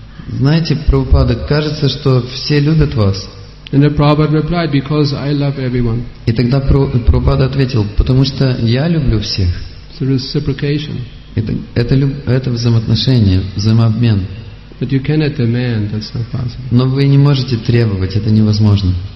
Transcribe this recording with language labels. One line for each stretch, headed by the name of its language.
Russian: Знаете, Прабхупада, кажется, что все любят вас.
English: And the Prabhupada replied, because I love everyone.
Russian: И тогда Прабхупада ответил, потому что я люблю всех.
English: So reciprocation.
Russian: Это взаимоотношение, взаимообмен.
English: But you cannot demand, that's not possible.
Russian: Но вы не можете требовать, это невозможно.